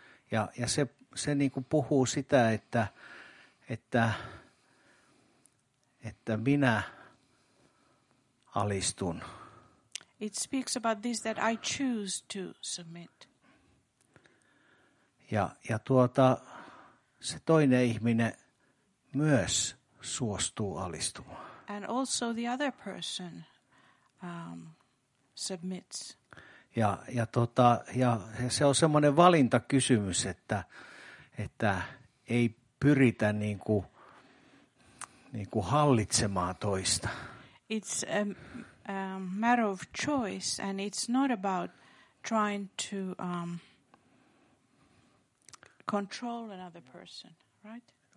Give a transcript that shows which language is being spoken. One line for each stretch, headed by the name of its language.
Finnish: Ja se niinku puhuu sitä, että minä alistun.
English: It speaks about this that I choose to submit.
Finnish: Ja tuota se toinen ihminen myös suostuu alistumaan.
English: And also the other person submits.
Finnish: Ja se on semmoinen valintakysymys, että ei pyritä niinku hallitsemaan toista.
English: It's a matter of choice, and it's not about trying to control another person, right?